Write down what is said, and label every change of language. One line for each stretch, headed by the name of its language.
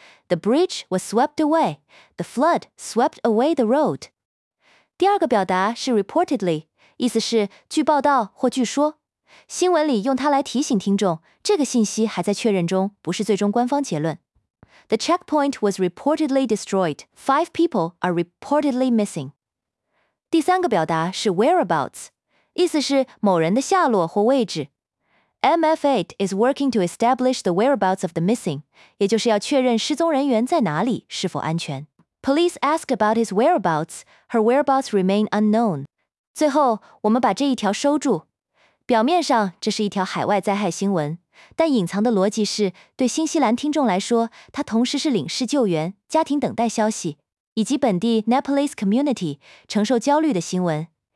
English: The bridge was swept away, the flood swept away the road.
Chinese: 第二个表达是 reportedly, 意思是据报道或据说。新闻里用它来提醒听众，这个信息还在确认中，不是最终官方结论。
English: The checkpoint was reportedly destroyed, 5 people are reportedly missing.
Chinese: 第三个表达是 whereabouts,意思是某人的下落或位置。
English: MFAT is working to establish the whereabouts of the missing,
Chinese: 也就是要确认失踪人员在哪里，是否安全。
English: Police asked about his whereabouts, her whereabouts remain unknown.
Chinese: 最后，我们把这一条收住。表面上，这是一条海外灾害新闻，但隐藏的逻辑是，对新西兰听众来说，它同时是领事救援、家庭等待消息，以及本地 Nepalese community 承受焦虑的新闻。